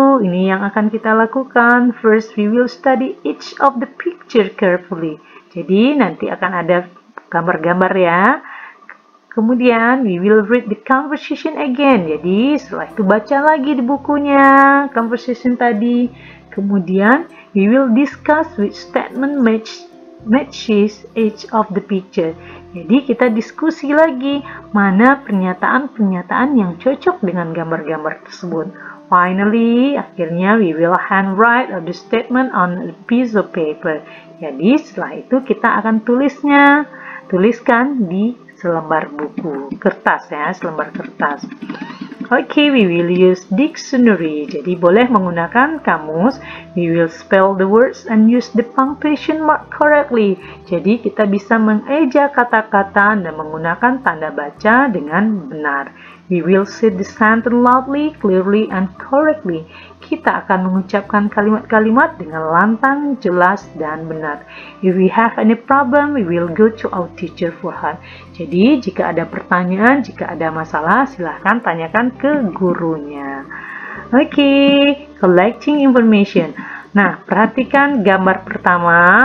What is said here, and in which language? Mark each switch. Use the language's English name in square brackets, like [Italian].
[Indonesian] Ini yang akan kita lakukan. [English] First, we will study each of the picture carefully. [Indonesian] Jadi, nanti akan ada gambar-gambar ya. Kemudian, [English] we will read the conversation again. [Indonesian] Jadi, setelah itu baca lagi di bukunya, conversation tadi. [English] Kemudian, we will discuss which statement matches each of the picture. [Indonesian] Jadi, kita diskusi lagi mana pernyataan-pernyataan yang cocok dengan gambar-gambar tersebut. [English] Finally, akhirnya, we will handwrite the statement on a piece of paper. [Indonesian] Jadi, setelah itu kita akan tulisnya, tuliskan di selembar buku, kertas ya, selembar kertas. [English] Okay, we will use dictionary. [Indonesian] Jadi, boleh menggunakan kamus. [English] We will spell the words and use the punctuation mark correctly. [Indonesian] Jadi, kita bisa mengeja kata-kata dan menggunakan tanda baca dengan benar. [English] We will say the sentence loudly, clearly, and correctly. [Indonesian] Kita akan mengucapkan kalimat-kalimat dengan lantang, jelas, dan benar. [English] If we have any problem, we will go to our teacher for help. [Indonesian] Jadi, jika ada pertanyaan, jika ada masalah, silakan tanyakan ke gurunya. [English] Okay, collecting information. [Indonesian] Nah, perhatikan gambar pertama.